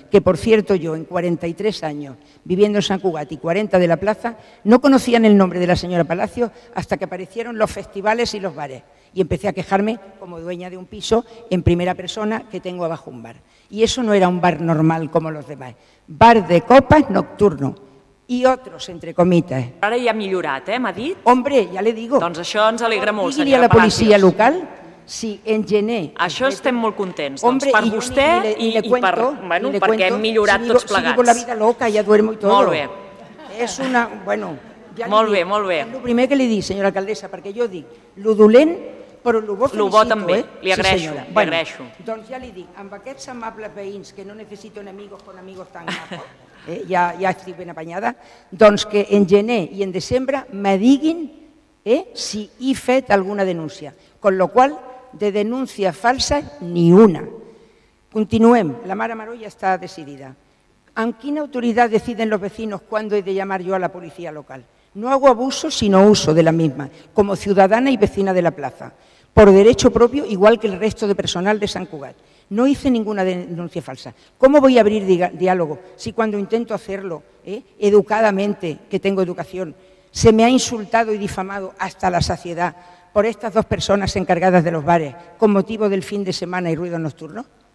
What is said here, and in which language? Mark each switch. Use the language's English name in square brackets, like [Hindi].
[Spanish] Que, por cierto, yo en 43 años viviendo en San Cugat y 40 de la plaza, no conocían el nombre de la señora Palacio hasta que aparecieron los festivales y los bares. Y empecé a quejarme como dueña de un piso en primera persona que tengo abajo un bar. Y eso no era un bar normal como los demás. Bar de copas nocturno y otros, entre comitas. [Catalan] Ara ja ha millorat, m'ha dit. Hombre, ja li digo. Doncs això ens alegra molt, senyora Palacios. Digui-li a la policia local si en gener... Això estem molt contents. Hombre, per vostè i perquè hem millorat tots plegats. [Spanish] Si vivo la vida loca, ja duermo y todo. [Catalan] Molt bé. És una... bueno... Ja molt bé, molt bé. El primer que li dic, senyora alcaldessa, perquè jo dic lo dolent, però lo bo felicito. Lo bo també, li agraeixo, sí, li agraeixo. Bueno, doncs ja li dic, amb aquests amables veïns, que no necessito [Spanish] enemigos con amigos tan majos, [Catalan] ja estic ben apanyada, doncs que en gener i en desembre me diguin si he fet alguna denúncia. [Spanish] Con lo qual, de denúncia falsa, ni una. [Catalan] Continuem, la Mare Maró ja està decidida. ¿En quina autoritat [Spanish] deciden los vecinos cuándo he de llamar yo a la policía local? No hago abuso, sino uso de la misma, como ciudadana y vecina de la plaza. por derecho propio, igual que el resto de personal de San Cugat. No hice ninguna denuncia falsa. ¿Cómo voy a abrir diálogo si cuando intento hacerlo, educadamente, que tengo educación, se me ha insultado y difamado hasta la saciedad por estas dos personas encargadas de los bares con motivo del fin de semana y ruido nocturno?